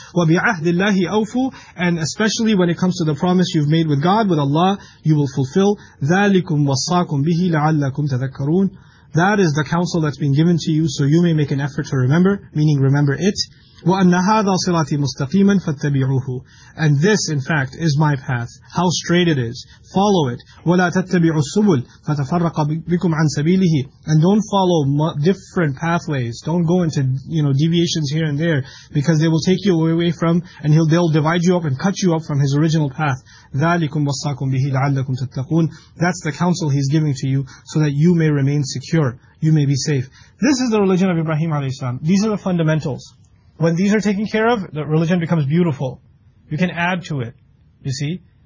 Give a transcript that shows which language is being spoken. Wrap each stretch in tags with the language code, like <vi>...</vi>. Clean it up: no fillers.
<ar>وَبِعَهْدِ اللَّهِ أَوْفُ</ar> <en>And especially when it comes to the promise you've made with God, with Allah, you will fulfill.</en> <ar>ذَلِكُمْ وَصَّاكُمْ بِهِ لَعَلَّكُمْ تَذَكَّرُونَ</ar> <en>That is the counsel that's been given to you, so you may make an effort to remember, meaning remember it.</en> <ar>وَأَنَّ هَذَا صِرَاطِي مُسْتَقِيمًا فَاتَّبِعُوهُ</ar> <en>And this, in fact, is my path. How straight it is. Follow it.</en> <ar>وَلَا تَتَّبِعُوا السُّبُلْ فَتَفَرَّقَ بِكُمْ عَنْ سَبِيلِهِ</ar> <en>And don't follow different pathways. Don't go into, you know, deviations here and there, because they will take you away from, and they'll divide you up and cut you up from his original path.</en> <ar>ذَلِكُمْ وَصَّاكُمْ بِهِ لَعَلَّكُمْ تَتَّقُونَ</ar> <en>That's the counsel he's giving to you, so that you may remain secure. You may be safe. This is the religion of Ibrahim alayhi salam. These are the fundamentals. When these are taken care of, the religion becomes beautiful. You can add to it. You see?</en>